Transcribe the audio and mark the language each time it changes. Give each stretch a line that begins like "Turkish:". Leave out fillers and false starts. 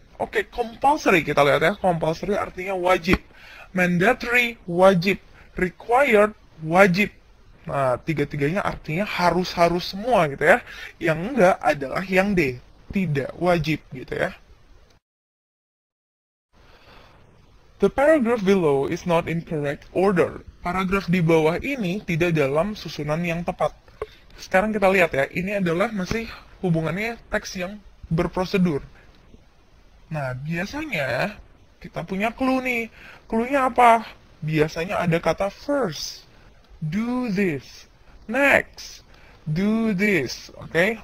Indonesian: Oke, compulsory kita lihat ya. Compulsory artinya wajib. Mandatory, wajib. Required, wajib. Nah, tiga-tiganya artinya harus-harus semua gitu ya. Yang enggak adalah yang D, tidak wajib gitu ya.
English: The paragraph below is not in correct order.
Indonesian: Paragraf di bawah ini tidak dalam susunan yang tepat. Sekarang kita lihat ya, ini adalah masih hubungannya teks yang berprosedur. Nah, biasanya kita punya clue nih. Clue-nya apa? Biasanya ada kata first,
English: do this, next, do this,
Indonesian: oke, okay?